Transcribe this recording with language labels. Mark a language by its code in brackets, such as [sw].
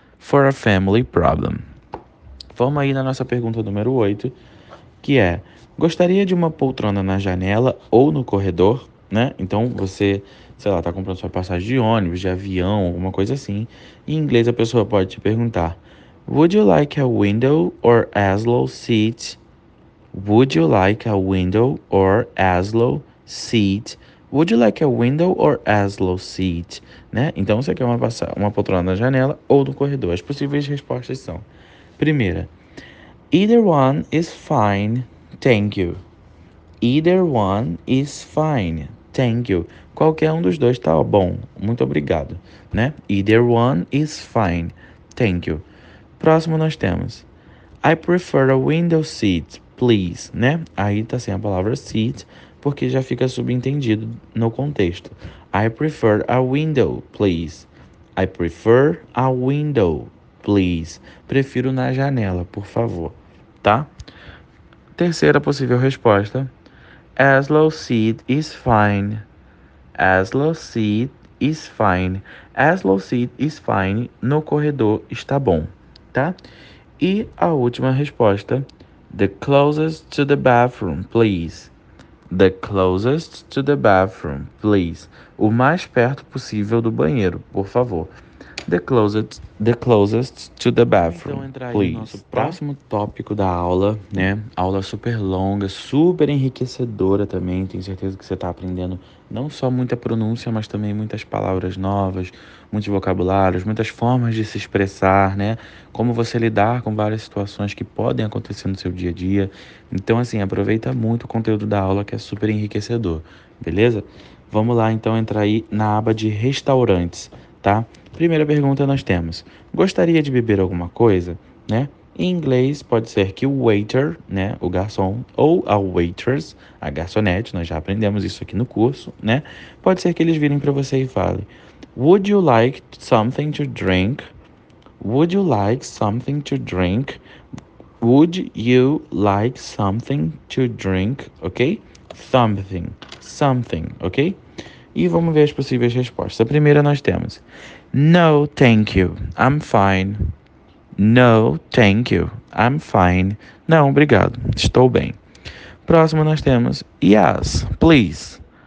[en] For a family problem. [pt] Vamos aí na nossa pergunta número 8, que é: Gostaria de uma poltrona na janela ou no corredor? Né? Então você, sei lá, tá comprando sua passagem de ônibus, de avião, alguma coisa assim. Em inglês a pessoa pode te perguntar: [en] Would you like a window or as low seat? Would you like a window or as low seat? Would you like a window or as low seat? [pt] Né? Então você quer uma poltrona na janela ou no corredor? As possíveis respostas são: Primeira, [en] Either one is fine, thank you. Either one is fine. Thank you. [pt] Qualquer um dos dois tá bom. Muito obrigado, né? [en] Either one is fine. Thank you. [pt] Próximo nós temos. [en] I prefer a window seat, please, né? [pt] Aí tá sem a palavra seat, porque já fica subentendido no contexto. [en] I prefer a window, please. I prefer a window, please. [pt] Prefiro na janela, por favor, tá? Terceira possível resposta. [en] As low seat is fine. As low seat is fine. As low seat is fine. [pt] No corredor está bom, tá? E a última resposta. [en] The closest to the bathroom, please. The closest to the bathroom, please. [pt] O mais perto possível do banheiro, por favor. [en] The closest to the bathroom. [pt] Então, entrar [en] please. [pt] Aí no nosso próximo tópico da aula, né? Aula super longa, super enriquecedora também. Tenho certeza que você está aprendendo não só muita pronúncia, mas também muitas palavras novas, muitos vocabulários, muitas formas de se expressar, né? Como você lidar com várias situações que podem acontecer no seu dia a dia. Então, assim, aproveita muito o conteúdo da aula, que é super enriquecedor, beleza? Vamos lá, então, entrar aí na aba de restaurantes, tá? Primeira pergunta nós temos, gostaria de beber alguma coisa, né? Em inglês pode ser que o waiter, né, o garçom, ou a waitress, a garçonete, nós já aprendemos isso aqui no curso, né? Pode ser que eles virem para você e falem, [en] would you like something to drink? Would you like something to drink? Would you like something to drink, ok? Something, ok? [pt] E vamos ver as possíveis respostas. A primeira nós temos, [en] no, thank you, I'm fine. No, thank you, I'm fine. [pt] Não, obrigado, estou bem. Próximo nós temos, [en] yes, please.